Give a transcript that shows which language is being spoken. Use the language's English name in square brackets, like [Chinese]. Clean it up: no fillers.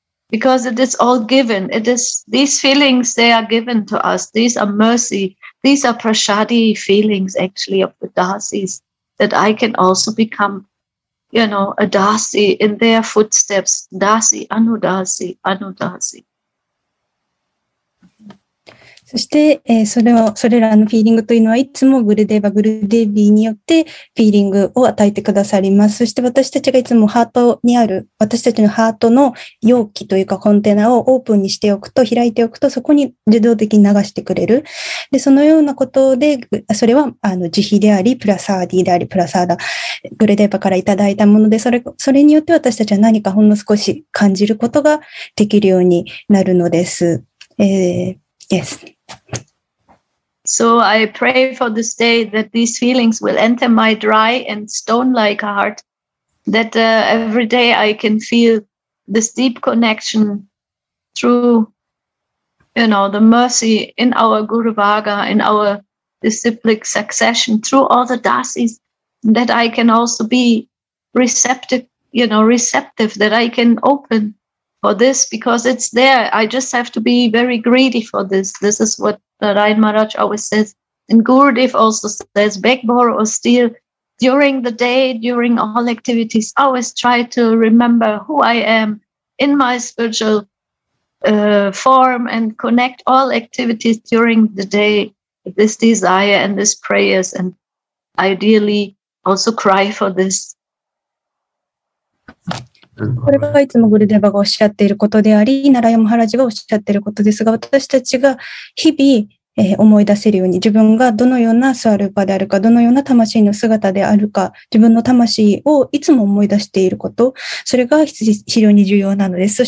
[English] Because it is all given. It is these feelings, they are given to us. These are mercy. These are prashadi feelings, actually, of the Dasis, that I can also become, you know, a Dasi in their footsteps. Dasi, Anudasi, Anudasi. [Japanese] そして、それらのフィーリングというのは、いつもグルデーバ、グルデービーによってフィーリングを与えてくださります。そして私たちがいつもハートにある、私たちのハートの容器というかコンテナをオープンにしておくと、開いておくと、そこに自動的に流してくれる。で、そのようなことで、それは、慈悲であり、プラサーディであり、プラサーダ、グルデーバからいただいたもので、それによって私たちは何かほんの少し感じることができるようになるのです。 [English] Yes. So I pray for this day that these feelings will enter my dry and stone-like heart, that every day I can feel this deep connection through, you know, the mercy in our Guru Vaga, in our disciplic succession, through all the dasis, that I can also be receptive, that I can open for this, because it's there. I just have to be very greedy for this. This is what the Rain Maharaj always says. And Gurudev also says, beg, borrow, or steal. During the day, during all activities, I always try to remember who I am in my spiritual form and connect all activities during the day with this desire and these prayers, and ideally also cry for this. [Japanese] これがいつもグルデバがおっしゃっていることであり、ナラヤマハラジがおっしゃっていることですが、私たちが日々、思い出せるように、自分がどのようなスワルパであるか、どのような魂の姿であるか、自分の魂をいつも思い出していること、それが非常に重要なのです。